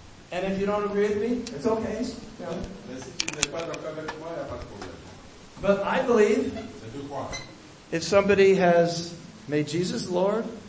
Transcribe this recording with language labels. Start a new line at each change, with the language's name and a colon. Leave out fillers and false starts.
English: And if you don't agree with me, it's okay. Yeah.
French: Mais si tu n'es pas d'accord avec moi, il n'y a pas de problème.
English: But I believe if somebody has made Jesus Lord,